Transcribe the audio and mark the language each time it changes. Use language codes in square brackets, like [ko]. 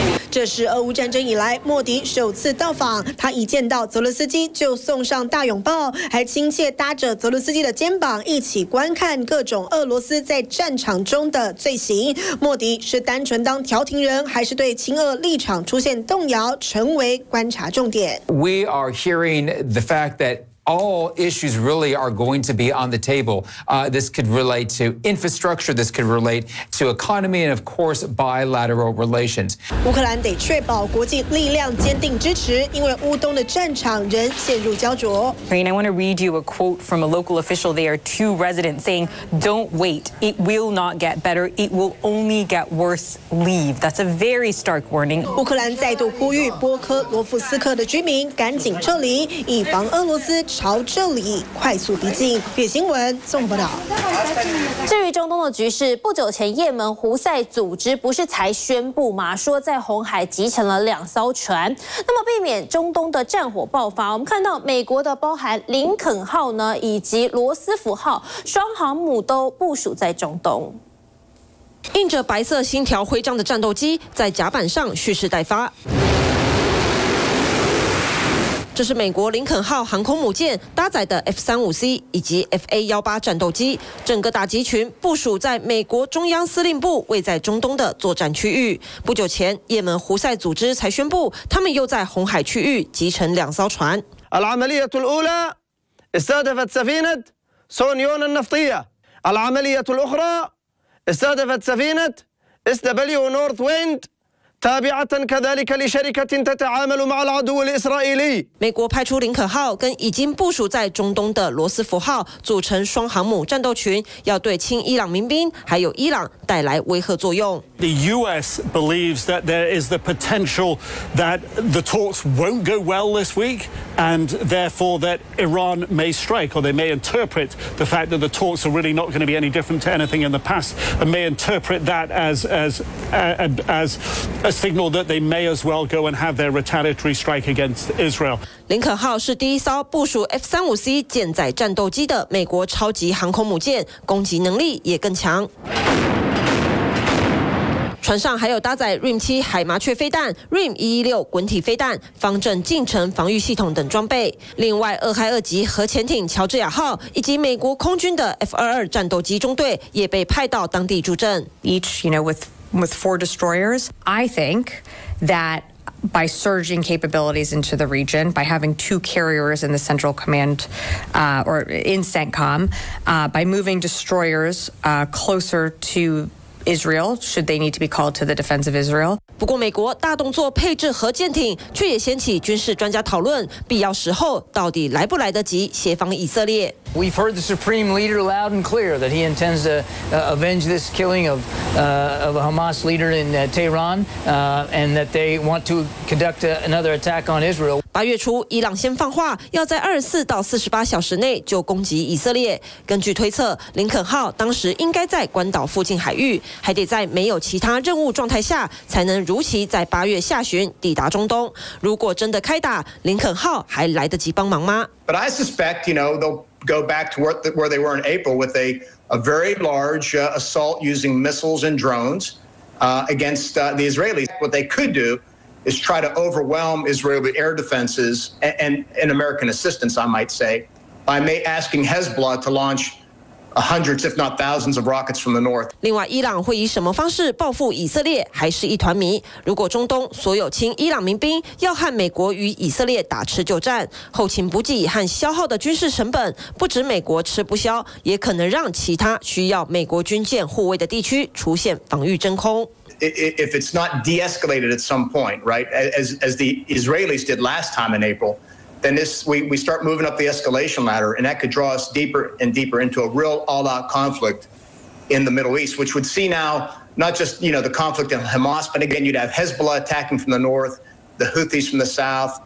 [zh] 这是俄乌战争以来莫迪首次到访，他一见到泽伦斯基就送上大拥抱，还亲切搭着泽伦斯基的肩膀一起观看各种俄罗斯在战场中的罪行。莫迪是单纯当调停人，还是对亲俄立场出现动摇，成为观察重点。 [en] We are hearing the fact thatAll issues really are going to be on the table. This could relate to infrastructure. This could relate to economy, and of course, bilateral relations. [zh] 乌克兰得确保国际力量坚定支持，因为乌东的战场仍陷入焦灼。 [en] Green, I want to read you a quote from a local official there to residents saying, "Don't wait. It will not get better. It will only get worse. Leave." That's a very stark warning. [zh] 乌克兰再度呼吁波科罗夫斯克的居民赶紧撤离，以防俄罗斯。朝这里快速逼近。别新闻综合报道。至于中东的局势，不久前也门胡塞组织不是才宣布吗？说在红海集成了两艘船，那么避免中东的战火爆发，我们看到美国的包含林肯号呢，以及罗斯福号双航母都部署在中东。印着白色星条徽章的战斗机在甲板上蓄势待发。这是美国林肯号航空母舰搭载的 F-35C 以及 FA-18 战斗机，整个打击群部署在美国中央司令部位在中东的作战区域。不久前，也门胡塞组织才宣布，他们又在红海区域集成两艘船。 [ar] العملية الأولى استهدفت سفينة سونيون النفطية. العملية الأخرى استهدفت سفينة SW Northwind. [zh] 美国派出林肯号跟已经部署在中东的罗斯福号组成双航母战斗群，要对亲伊朗民兵还有伊朗带来威吓作用。 [en] The U.S. believes that there is the potential that the talks won't go well this week, and therefore that Iran may strike, or they may interpret the fact that the talks are really not going to be any different to anything in the past, and may interpret that as a signal that they may as well go and have their retaliatory strike against Israel. [zh] 林肯号是第一艘部署 F-35C 舰载战斗机的美国超级航空母舰，攻击能力也更强。船上还有搭载 RIM 7海麻雀飞弹、 RIM 116滚体飞弹、方阵近程防御系统等装备。另外，俄亥俄级核潜艇乔治亚号以及美国空军的 F-22 战斗机中队也被派到当地助阵。 [en] With four destroyers, I think that by surging capabilities into the region, by having two carriers in the central command, or in CENTCOM, by moving destroyers, closer to Israel, should they need to be called to the defense of Israel. [zh] 不过，美国大动作配置核舰艇，却也掀起军事专家讨论，必要时候到底来不来得及协防以色列。 [en] We've heard the Supreme Leader loud and clear that he intends to avenge this killing of a Hamas leader in Tehran, and that they want to conduct another attack on Israel. [zh] 八月初，伊朗先放话要在24到48小时内就攻击以色列。根据推测，林肯号当时应该在关岛附近海域，还得在没有其他任务状态下，才能如期在八月下旬抵达中东。如果真的开打，林肯号还来得及帮忙吗？ [en] But I suspect, you know, they'll go back to where they were in April with a very large assault using missiles and drones against the Israelis. What they could do is try to overwhelm Israeli air defenses and American assistance, I might say, by asking Hezbollah to launch hundreds, if not thousands, of rockets from the north. [zh] 另外，伊朗会以什么方式报复以色列，还是一团谜。如果中东所有亲伊朗民兵要和美国与以色列打持久战，后勤补给和消耗的军事成本，不止美国吃不消，也可能让其他需要美国军舰护卫的地区出现防御真空。 [en] If it's not de-escalated at some point, right, as the Israelis did last time in April. Then this, we start moving up the escalation ladder, and that could draw us deeper and deeper into a real all-out conflict in the Middle East, which would see now not just, you know, the conflict in Hamas, but again, you'd have Hezbollah attacking from the north, the Houthis from the south.